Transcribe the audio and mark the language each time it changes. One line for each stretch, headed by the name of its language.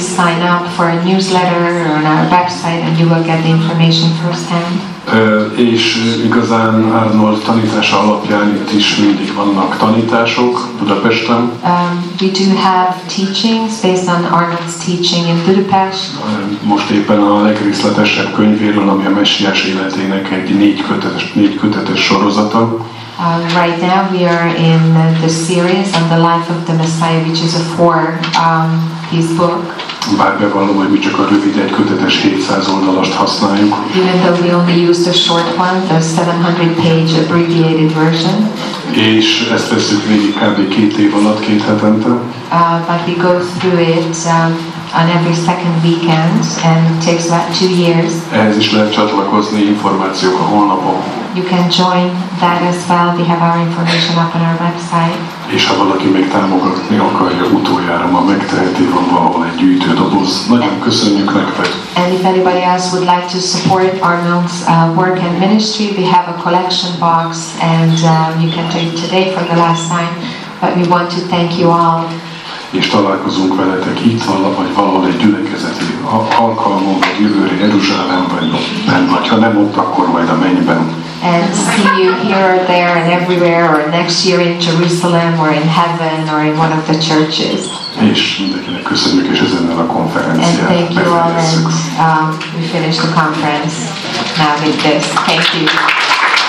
English: Sign up for a newsletter on our website and you will get the information first hand.
Hungarian: És igazán Arnold tanítása alapján itt is mindig vannak tanítások Budapesten.
English: We do have teachings based on Arnold's teaching in Budapest.
Hungarian: Most éppen a legrészletesebb könyvéről, ami a Messiás életének egy négy kötetes sorozata.
English: Right now we are in the series on the life of the Messiah, which is a 4-piece book.
Hungarian: Bár bevallom, hogy mi csak a rövid egy kötetes 700 oldalast használjuk.
English: Even though we only use the short one, the 700-page abbreviated version.
Hungarian: És ezt veszük végig kb. 2 év alatt, 2 hetente.
English: But we go through it on every second weekend, and it takes about 2 years.
Hungarian: Ehhez is lehet csatlakozni információk a honlapon.
English: You can join that as well. We have our information up on our website.
Hungarian: És ha valaki még támogatni akarja, utoljára ma megteheti, van valahol egy gyűjtődoboz. Nagyon köszönjük nektek!
English: And if anybody else would like to support Arnold's work and ministry, we have a collection box and you can do it today for the last time. But we want to thank you all.
Hungarian: És találkozunk veletek itt vagy valahol egy gyülekezeti alkalmon, vagy jövőre Jeruzsálemben, vagy ha nem ott, akkor majd a mennyben.
English: And see you here or there and everywhere, or next year in Jerusalem, or in heaven, or in one of the churches.
Hungarian: És mindenkinek köszönjük, és ezennel a konferenciát.
English: And thank you all, and we finish the conference now with this. Thank you.